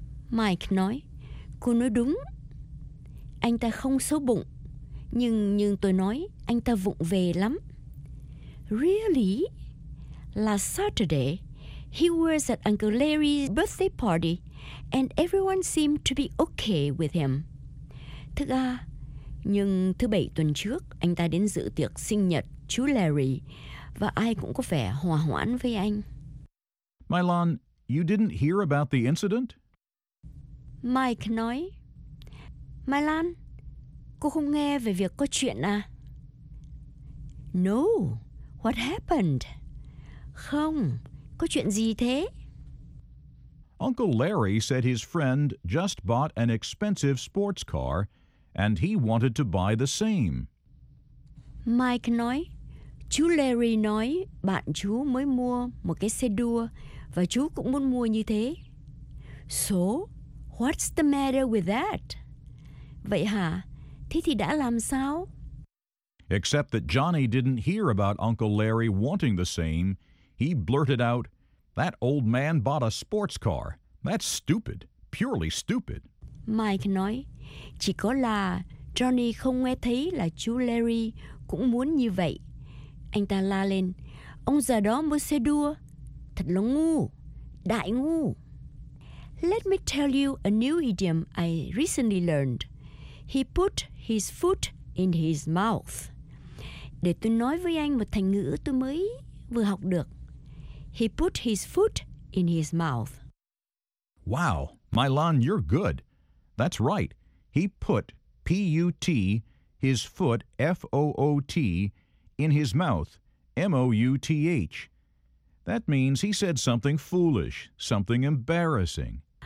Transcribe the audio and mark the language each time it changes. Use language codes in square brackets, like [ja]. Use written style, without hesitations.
[vi] Mike nói, cô nói đúng. Anh ta không xấu bụng, nhưng tôi nói anh ta vụng về lắm. [en] Really? Last Saturday, he was at Uncle Larry's birthday party, and everyone seemed to be okay with him. [vi] Thực ra, nhưng thứ bảy tuần trước, anh ta đến dự tiệc sinh nhật chú Larry, và ai cũng có vẻ hòa hoãn với anh. [en] Mylon, you didn't hear about the incident? [vi] Mike nói, Mylon, cô không nghe về việc có chuyện à? [en] No. What happened? [vi] Không, có chuyện gì thế? [en] Uncle Larry said his friend just bought an expensive sports car and he wanted to buy the same. [vi] Mike nói, chú Larry nói bạn chú mới mua một cái xe đua và chú cũng muốn mua như thế. [en] So, what's the matter with that? [vi] Vậy hả? Thế thì đã làm sao? [en] Except that Johnny didn't hear about Uncle Larry wanting the same. He blurted out, that old man bought a sports car. That's stupid, purely stupid. [vi] Mike nói, chỉ có là Johnny không nghe thấy là chú Larry cũng muốn như vậy. Anh ta la lên, ông già đó mua xe đua. Thật là ngu, đại ngu. [en] Let me tell you a new idiom I recently learned. He put his foot in his mouth. [vi] Để tôi nói với anh một thành ngữ tôi mới vừa học được. [en] He put his foot in his mouth. Wow, Mylon, you're good. That's right. He put, P-U-T, his foot, F-O-O-T, in his mouth, M-O-U-T-H. That means he said something foolish, something embarrassing.